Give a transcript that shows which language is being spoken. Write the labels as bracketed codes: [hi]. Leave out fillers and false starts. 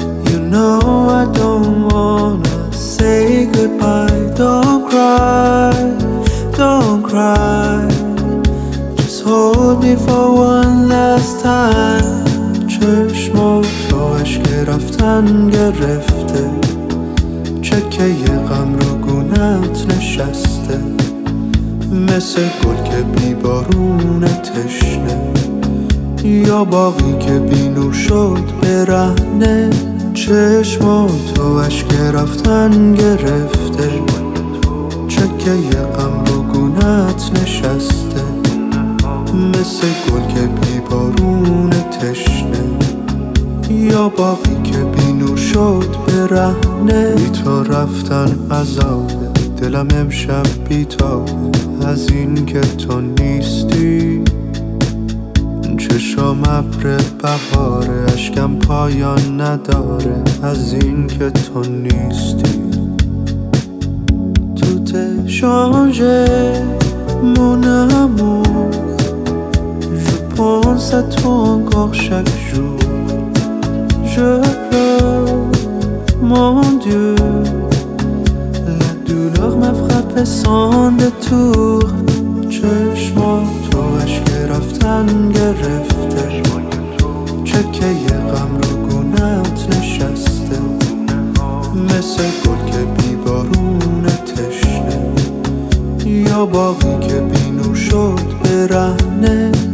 [en] You know I don't wanna say goodbye. Don't cry, don't cry. Just hold me for one last time. [fa] چشما تو عشق رفتن گرفته، چکه یه غم رو گونت نشسته، مثل گل که بی بارونه تشنه، یا باقی که بی نور شد برهنه. چشما تو عشق رفتن گرفته، چکه یه غم رو گونت نشسته، مثل گل که بی بارونه تشنه، یا باقی که بی نور شد برهنه. بی تو رفتن عذابه، دلم امشب بی تابه از این که تو نیستی. چشم ابر بهاره، اشکم پایان نداره از این که تو نیستی. تو ته شانجه مونمو، [fr] je pense à toi encore chaque jour. Je pleure, mon Dieu. La douleur m'a frappé sans détour. [fa] چشمان تو عشق رفتن گرفته، چکه یه غم رو گونت نشسته، مثل گل که بی بارونه تشنه، یا باقی که بی نور شد برهنه.